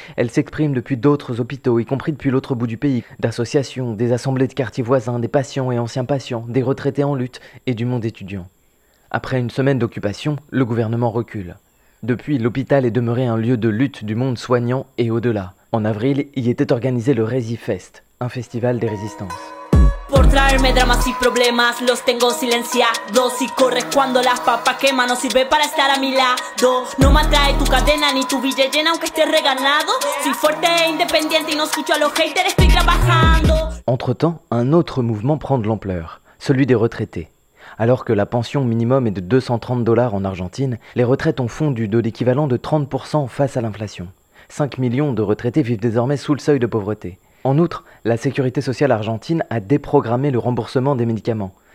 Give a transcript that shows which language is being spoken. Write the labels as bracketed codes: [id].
[fr] Elle s'exprime depuis d'autres hôpitaux, y compris depuis l'autre bout du pays, d'associations, des assemblées de quartiers voisins, des patients et anciens patients, des retraités en lutte et du monde étudiant. Après une semaine d'occupation, le gouvernement recule. Depuis, l'hôpital est demeuré un lieu de lutte du monde soignant et au-delà. En avril, y était organisé le Resifest, un festival des résistances. [es] Por traerme dramas y problemas, los tengo silenciados. Si corres cuando las papas queman, no sirve para estar a mi lado. No me atrae tu cadena ni tu billete llena, aunque estés reganado. Soy fuerte e independiente y no escucho a los haters, estoy trabajando. [fr] Entre-temps, un autre mouvement prend de l'ampleur, celui des retraités. Alors que la pension minimum est de 230 dollars en Argentine, les retraites ont fondu de l'équivalent de 30% face à l'inflation. 5 millions de retraités vivent désormais sous le seuil de pauvreté. En outre, la sécurité sociale argentine a déprogrammé le remboursement des médicaments.